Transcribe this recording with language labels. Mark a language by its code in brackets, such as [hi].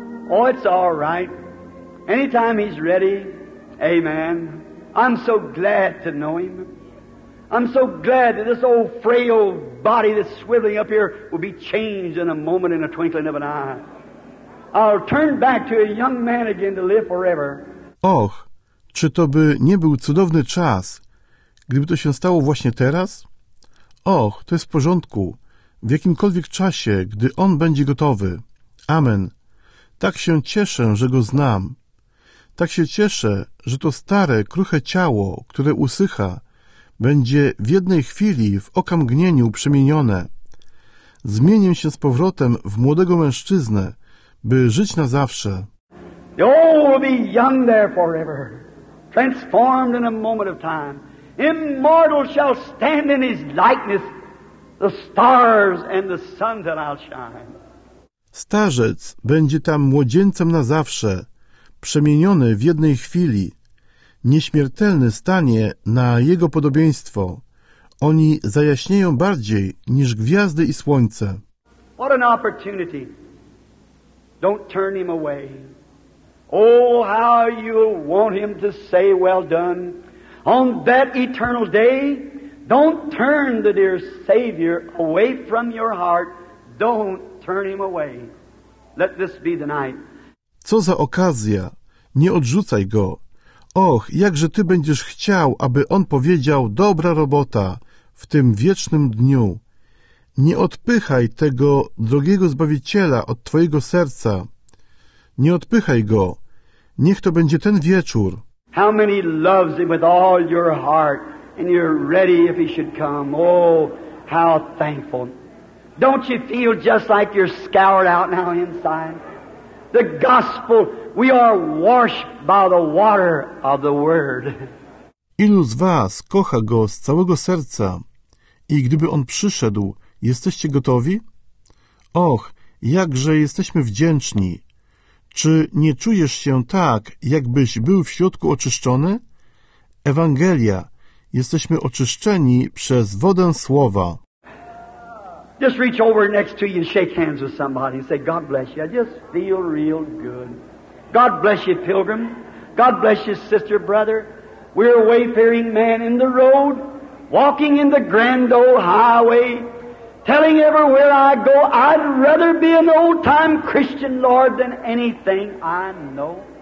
[en] Oh, it's all right. Anytime he's ready, amen. I'm so glad to know him. I'm so glad that this old frail body that's swiveling up here will be changed in a moment in a twinkling of an eye. I'll turn back to a young man again to live forever. [pl] Och, czy to by nie był cudowny czas, gdyby to się stało właśnie teraz? Och, to jest w porządku, w jakimkolwiek czasie, gdy On będzie gotowy. Amen. Tak się cieszę, że Go znam. Tak się cieszę, że to stare, kruche ciało, które usycha, będzie w jednej chwili w okamgnieniu przemienione. Zmienię się z powrotem w młodego mężczyznę, by żyć na zawsze. [en] The old will be young there forever, transformed in a moment of time. Immortal shall stand in his likeness, the stars and the sun that I'll shine. [pl] Starzec będzie tam młodzieńcem na zawsze, przemieniony w jednej chwili. Nieśmiertelny stanie na jego podobieństwo. Oni zajaśnieją bardziej niż gwiazdy i słońce. [en] What an opportunity! Don't turn him away. Oh, how you'll want him to say, well done. On that eternal day, don't turn the dear Savior away from your heart. Don't turn him away. Let this be the night. [pl] Co za okazja! Nie odrzucaj go. Och, jakże ty będziesz chciał, aby on powiedział dobra robota w tym wiecznym dniu. Nie odpychaj tego drogiego Zbawiciela od twojego serca. Nie odpychaj go. Niech to będzie ten wieczór. [en] How many loves him with all your heart and you're ready if he should come. Oh, how thankful. Don't you feel just like you're scoured out now inside? The gospel, we are washed by the water of the word. [pl] Ilu z was kocha go z całego serca i gdyby on przyszedł, jesteście gotowi? Och, jakże jesteśmy wdzięczni. Czy nie czujesz się tak, jakbyś był w środku oczyszczony? Ewangelia, jesteśmy oczyszczeni przez wodę słowa. [en] Just reach over next to you and shake hands with somebody and say, God bless you. I just feel real good. God bless you, pilgrim. God bless you, sister, brother. We're a wayfaring man in the road, walking in the grand old highway, telling everywhere I go, I'd rather be an old-time Christian, Lord, than anything I know.